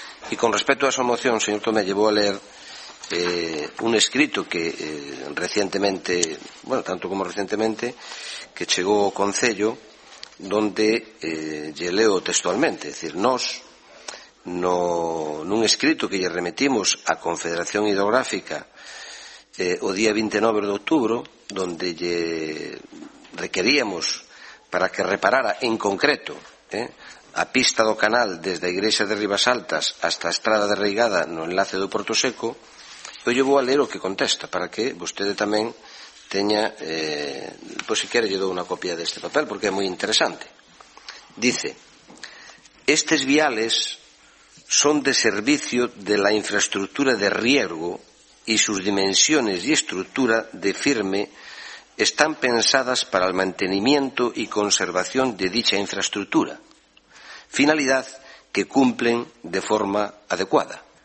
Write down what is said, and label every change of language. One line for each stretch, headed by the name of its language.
Galician: E con respecto a esa moción, señor Tomé, llevo a leer un escrito que recientemente, bueno, tanto como recientemente, que chegou ao concello, donde lle leo textualmente, es decir, nos no, nun escrito que lle remetimos a Confederación Hidrográfica o día 29 de outubro, donde lle requeríamos para que reparara en concreto a pista do canal desde a Igrexa de Rivas Altas hasta a Estrada de Reigada no enlace do Porto Seco. Eu llevo a ler o que contesta para que vostede tamén teña, pois se quere lle dou unha copia deste papel porque é moi interesante.
Spanish: Dice: estes viales son de servicio de la infraestructura de riego y sus dimensiones y estructura de firme están pensadas para el mantenimiento y conservación de dicha infraestructura, finalidad que cumplen de forma adecuada.